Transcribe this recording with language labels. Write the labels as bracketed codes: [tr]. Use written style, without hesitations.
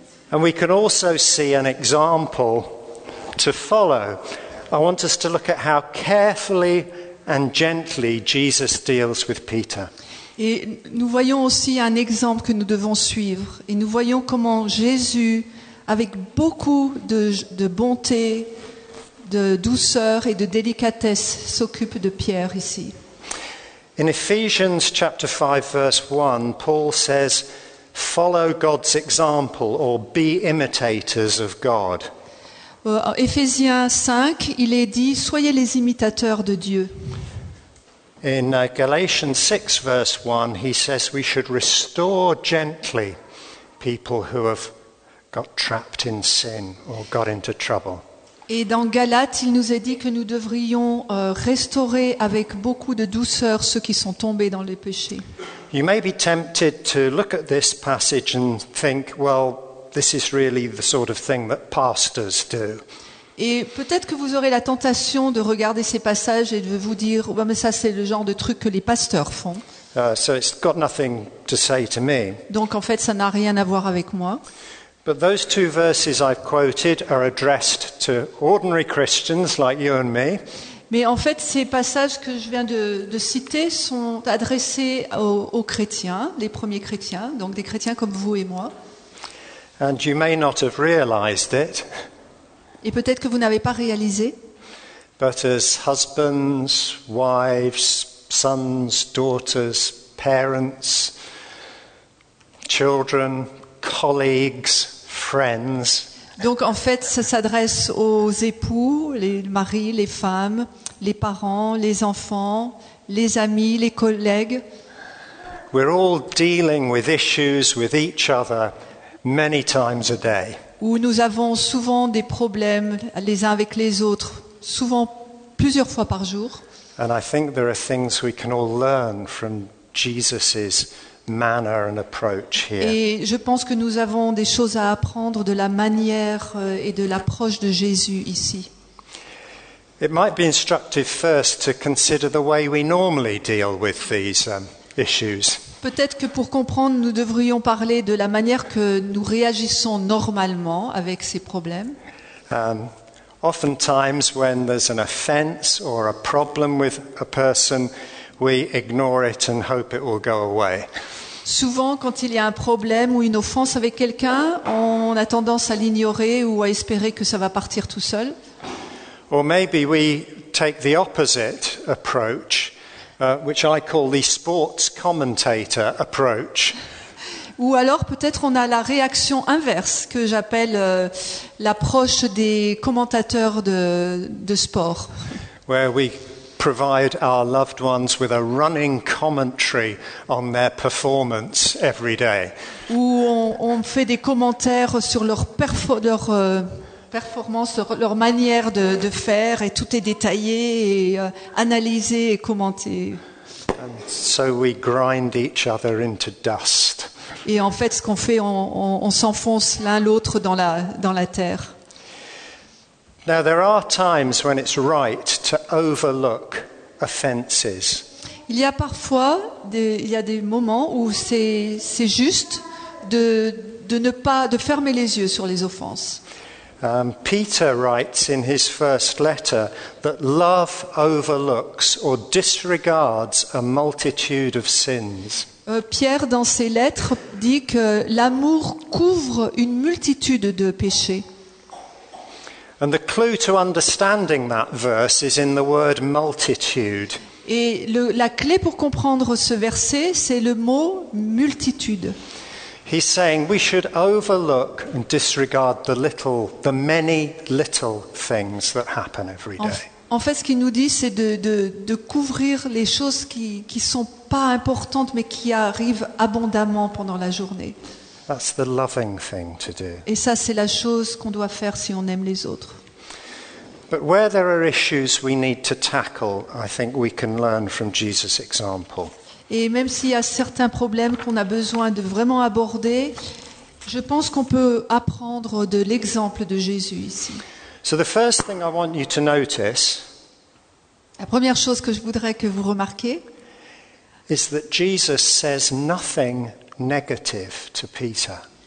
[en] And we can also see an example to follow. I want us to look at how carefully and gently Jesus deals with Peter. [fr] Et nous voyons aussi un exemple que nous devons suivre. Et nous voyons comment Jésus, avec beaucoup de bonté, de douceur et de délicatesse, s'occupe de Pierre ici. [en] In Ephesians chapter 5, verse 1, Paul says, follow God's example or be imitators of God. [fr] En Éphésiens 5, il est dit soyez les imitateurs de Dieu. [en] In Galatians 6 verse 1, he says we should restore gently people who have got trapped in sin or got into trouble. [fr] Et dans Galates, il nous est dit que nous devrions restaurer avec beaucoup de douceur ceux qui sont tombés dans le péché. [en] You may be tempted to look at this passage and think, well, this is really the sort of thing that pastors do. [fr] Et peut-être que vous aurez la tentation de regarder ces passages et de vous dire, oh, mais ça c'est le genre de truc que les pasteurs font. [en] So it's got nothing to say to me. [fr] Donc en fait, ça n'a rien à voir avec moi. [en] But those two verses I've quoted are addressed to ordinary Christians like you and me. [fr] Mais en fait, ces passages que je viens de citer sont adressés aux chrétiens, les premiers chrétiens, donc des chrétiens comme vous et moi. [en] And you may not have realized it. [fr] Et peut-être que vous n'avez pas réalisé. [en] But as husbands, wives, sons, daughters, parents, children, colleagues, friends. [fr] Donc en fait, ça s'adresse aux époux, les maris, les femmes, les parents, les enfants, les amis, les collègues. [en] We're all dealing with issues with each other many times a day. [fr] Où nous avons souvent des problèmes les uns avec les autres, souvent plusieurs fois par jour. [en] And I think there are things we can all learn from Jesus's manner and approach here. [fr] Et je pense que nous avons des choses à apprendre de la manière et de l'approche de Jésus ici. [en] It might be instructive first to consider the way we normally deal with these issues. [fr] Peut-être que pour comprendre, nous devrions parler de la manière que nous réagissons normalement avec ces problèmes. [en] Oftentimes, when there's an offense or a problem with a person, we ignore it and hope it will go away. [fr] Souvent, quand il y a un problème ou une offense avec quelqu'un, on a tendance à l'ignorer ou à espérer que ça va partir tout seul. [en] Or maybe we take the opposite approach, which I call the sports commentator approach. [fr] Ou alors peut-être on a la réaction inverse que j'appelle l'approche des commentateurs de sport. [en] Where we provide our loved ones with a running commentary on their performance every day. [fr] Où on fait des commentaires sur leur performance, leur manière de faire, et tout est détaillé, et analysé et commenté. [en] And so we grind each other into dust. [fr] Et en fait, ce qu'on fait, on s'enfonce l'un l'autre dans la terre. [en] Now there are times when it's right to overlook offenses. [fr] Il y a parfois des moments où c'est juste de fermer les yeux sur les offenses. [en] Peter writes in his first letter that love overlooks or disregards a multitude of sins. [fr] Pierre, dans ses lettres, dit que l'amour couvre une multitude de péchés. [en] And the clue to understanding that verse is in the word multitude. [fr] Et la clé pour comprendre ce verset, c'est le mot multitude. [en] He's saying we should overlook and disregard the little, the many little things that happen every day. [fr] En fait, ce qu'il nous dit, c'est de couvrir les choses qui sont pas importantes, mais qui arrivent abondamment pendant la journée. [en] That's the loving thing to do. [fr] Et ça, c'est la chose qu'on doit faire si on aime les autres. [en] But where there are issues we need to tackle, I think we can learn from Jesus' example. [fr] Et même s'il y a certains problèmes qu'on a besoin de vraiment aborder, je pense qu'on peut apprendre de l'exemple de Jésus ici. [en] So the first thing I want you to notice, [fr] la première chose que je voudrais que vous remarquiez, [en] is that Jesus says nothing negative to Peter.